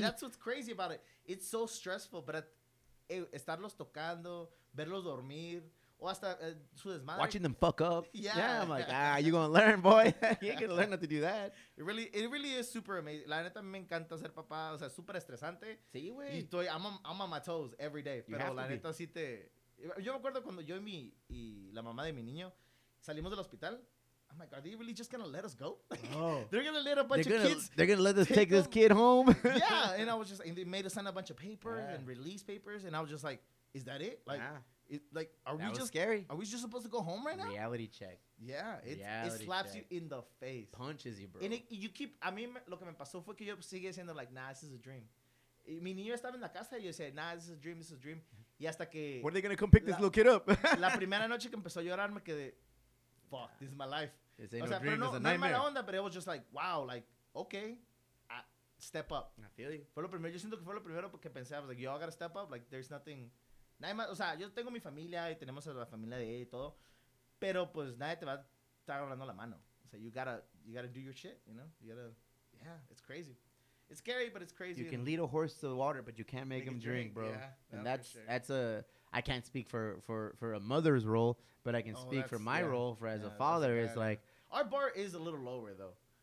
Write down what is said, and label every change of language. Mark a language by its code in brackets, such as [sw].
[en] That's what's crazy about it. It's so stressful, but [es] estarlos tocando, verlos dormir. [en] Watching them fuck up. Yeah. I'm like, you gonna learn, boy. You ain't gonna learn not to do that. It really is super amazing. [es] La neta, me encanta ser papá. O sea, super estresante. Sí, güey. Y estoy, [en] I'm on my toes every day. [es] Pero la neta, sí te... Yo me acuerdo cuando yo y la mamá de mi niño salimos del hospital. [en] I'm like, are they really just gonna let us go? They're gonna let a bunch of kids... They're gonna let us take this kid home? Yeah. And I was just... And they made us sign a bunch of papers and release papers. And I was just like, is that it? Like, yeah. Are we just supposed to go home right now? Reality check. Yeah, it slaps you in the face. Punches you, bro. [es] And lo que me pasó fue que yo sigue siendo [en] like, nah, this is a dream. [es] Mi niño estaba en la casa y yo [en] said, nah, this is a dream. [es] Y hasta que... [en] When are they going to come pick this little kid up? [es] La primera noche que empezó a llorar me quedé, [en] fuck, this is my life. This ain't no dream, it's a nightmare. [es] No es mala onda, [en] but it was just like, wow, like, okay, step up. I feel you. [es] Fue lo primero, yo siento que fue lo primero porque pensé, [en] I was like, yo, I gotta step up, like, there's nothing... [es] Nadie más, o sea, yo tengo mi familia y tenemos a la familia de él y todo, pero pues nadie te va a estar hablando la mano. O sea, [en] you gotta do your shit, you know? It's crazy. It's scary, but it's crazy. You can lead a horse to the water, but you can't make him drink, bro. Yeah, and I can't speak for a mother's role, but I can speak for my role as a father. It's like, our bar is a little lower, though.